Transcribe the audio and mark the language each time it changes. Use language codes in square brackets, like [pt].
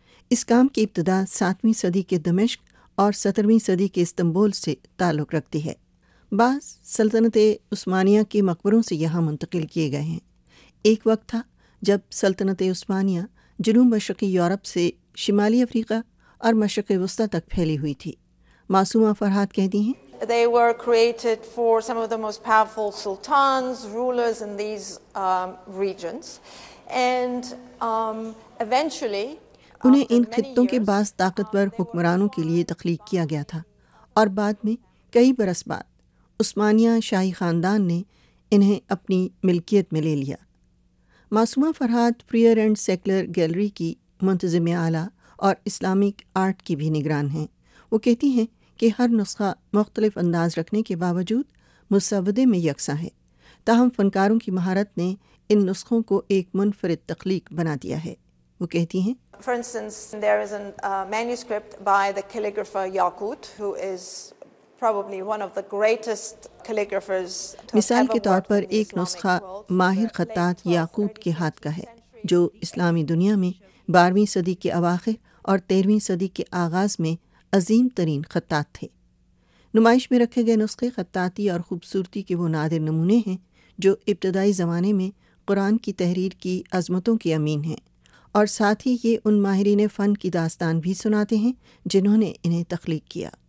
[ur] اس کام کی ابتدا 7ویں صدی کے دمشق اور 17ویں صدی کے استنبول سے تعلق رکھتی ہے. بعض سلطنت عثمانیہ کے مقبروں سے یہاں منتقل کیے گئے ہیں. ایک وقت تھا جب سلطنت عثمانیہ جنوب مشرقی یورپ سے شمالی افریقہ اور مشرق وسطی تک پھیلی ہوئی تھی. معصومہ فرحات کہتی ہیں [en] They were created for some of the most powerful sultans, rulers in these regions. And eventually, [ur] انہیں ان خطوں کے بعض طاقتور حکمرانوں کے لیے تخلیق کیا گیا تھا اور بعد میں کئی برس بعد عثمانیہ شاہی خاندان نے انہیں اپنی ملکیت میں لے لیا. Masuma Farhat Frere and سیکلر gallery کی منتظم اعلیٰ اور اسلامک آرٹ کی بھی نگران ہیں. وہ کہتی ہیں کہ ہر نسخہ مختلف انداز رکھنے کے باوجود مسودے میں یکساں ہے. تاہم فنکاروں کی مہارت نے ان نسخوں کو ایک منفرد تخلیق بنا دیا ہے. وہ کہتی ہیں [en] For instance, there is a manuscript by the calligrapher Yakut, who is probably one of the greatest calligraphers to ever work. [ur] مثال کے طور پر ایک نسخہ ماہر خطاط یاقوت کے ہاتھ کا ہے جو اسلامی دنیا میں 12ویں صدی کے اواخر اور 13ویں صدی کے آغاز میں عظیم ترین خطاط تھے. نمائش میں رکھے گئے نسخے خطاطی اور خوبصورتی کے وہ نادر نمونے ہیں جو ابتدائی زمانے میں قرآن کی تحریر کی عظمتوں کی امین ہیں، اور ساتھ ہی یہ ان ماہرین فن کی داستان بھی سناتے ہیں جنہوں نے انہیں تخلیق کیا.